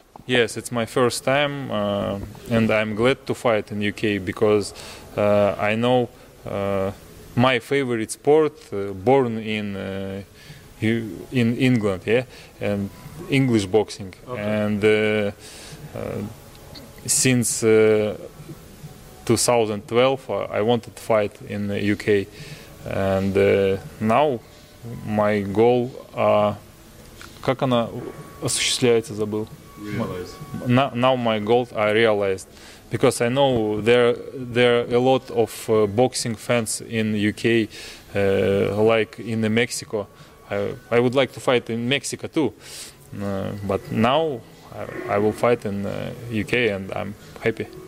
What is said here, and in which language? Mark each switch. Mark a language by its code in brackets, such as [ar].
[en] Yes, it's my first time, and I'm glad to fight in UK because I know my favorite sport, born in England, yeah, and English boxing. Okay. And since 2012, I wanted to fight in the UK, and now my goal. [ru] Как она осуществляется, забыл. [en] Now my goal, I realized, because I know there are a lot of boxing fans in UK, like in the Mexico. I would like to fight in Mexico too, but now I will fight in UK and I'm happy.